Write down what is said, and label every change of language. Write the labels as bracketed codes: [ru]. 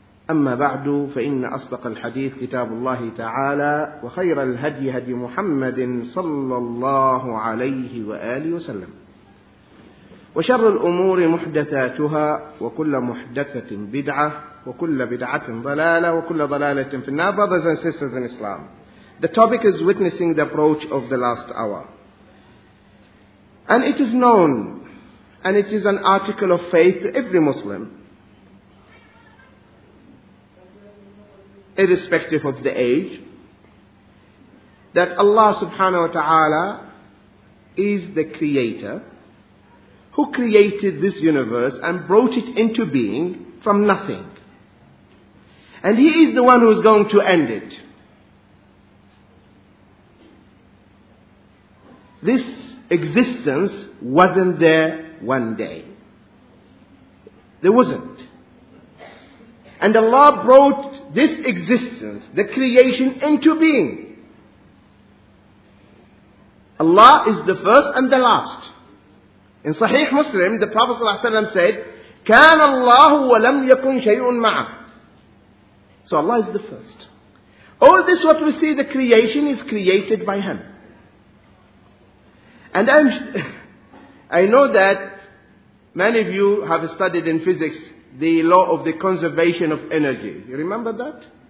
[ar] أما بعد، فإن أصدق الحديث كتاب الله تعالى، وخير الهدي هدي محمد صلى الله عليه وآله وسلم، وشر الأمور محدثاتها، وكل محدثة بدعة، وكل بدعة ضلالة، وكل ضلالة في النار. [en] Brothers and sisters in Islam, the topic is witnessing the approach of the last hour. And it is known, and it is an article of faith to every Muslim, irrespective of the age, that Allah subhanahu wa ta'ala is the creator who created this universe and brought it into being from nothing. And He is the one who is going to end it. This existence wasn't there one day. There wasn't. And Allah brought this existence, the creation, into being. Allah is the first and the last. In Sahih Muslim, the Prophet ﷺ said, [ar] كَانَ اللَّهُ وَلَمْ يَكُنْ شَيْءٌ مَعَهُ. [en] So Allah is the first. All this what we see, the creation is created by Him. And I know that many of you have studied in physics the law of the conservation of energy. You remember that?